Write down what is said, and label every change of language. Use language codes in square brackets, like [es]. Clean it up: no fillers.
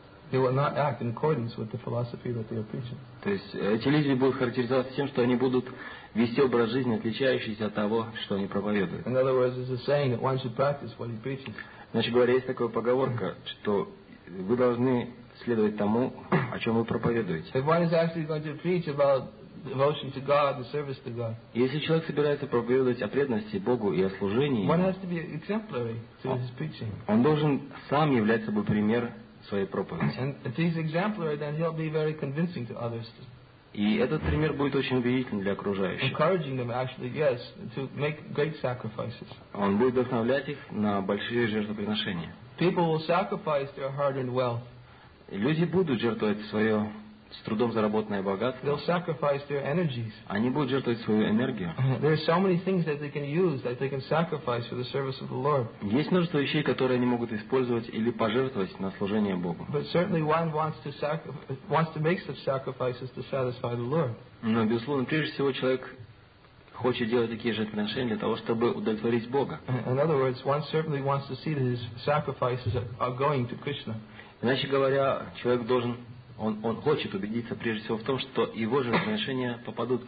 [en] They will not act in accordance with the philosophy that they are preaching. [ru] То есть эти люди будут характеризоваться тем, что они будут вести образ жизни, отличающийся от того, что они проповедуют. [en] In other words, there's a saying that one should practice what he preaches. [ru] Значит, говоря, есть такая поговорка, что вы должны следовать тому, о чем вы проповедуете. [en] If one is actually going to preach about devotion to God, the service to God. [ru] Если человек собирается проповедовать о преданности Богу и о служении, [en] one has to be exemplary to his preaching. [ru] Он должен сам являть собой пример своей проповеди. [en] And if he's exemplary, then he'll be very convincing to others. [ru] И этот пример будет очень убедительным для окружающих. [en] Encouraging them actually, yes, to make great sacrifices. [ru] Он будет вдохновлять их на большие жертвоприношения. [en] People will sacrifice their hard-earned wealth. [ru] Люди будут жертвовать свое с трудом заработанное богатство. [en] They'll sacrifice their energies. [ru] Они будут жертвовать свою энергию. [en] There are so many things that they can use, that they can sacrifice for the service of the Lord. [ru] Есть множество вещей, которые они могут использовать или пожертвовать на служение Богу. [en] But certainly one wants to make such sacrifices to satisfy the Lord. [ru] Но, безусловно, прежде всего человек хочет делать такие жертвоприношения для того, чтобы удовлетворить Бога. [en] In other words, one certainly wants to see that his sacrifices are going to Krishna. [ru] Иначе говоря, человек должен Он хочет убедиться прежде всего в том, что его жертвоприношения попадут к